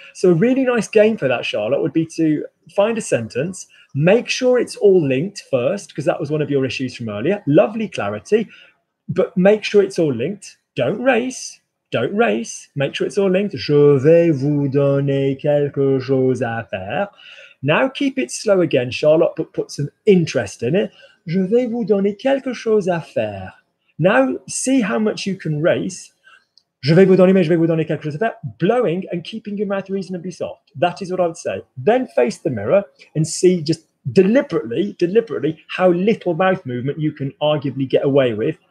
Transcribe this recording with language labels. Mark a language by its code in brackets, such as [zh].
[en] So a really nice game for that, Charlotte, would be to find a sentence, make sure it's all linked first, because that was one of your issues from earlier. Lovely clarity, but make sure it's all linked. Don't race. don't race. Make sure it's all linked. [fr] Je vais vous donner quelque chose à faire. [en] Now keep it slow again, Charlotte, but put some interest in it. [fr] Je vais vous donner quelque chose à faire. [en] Now see how much you can race. [fr] Je vais vous donner, mais je vais vous donner quelque chose à faire. [en] Blowing and keeping your mouth reasonably soft. That is what I would say. Then face the mirror and see just deliberately how little mouth movement you can arguably get away with.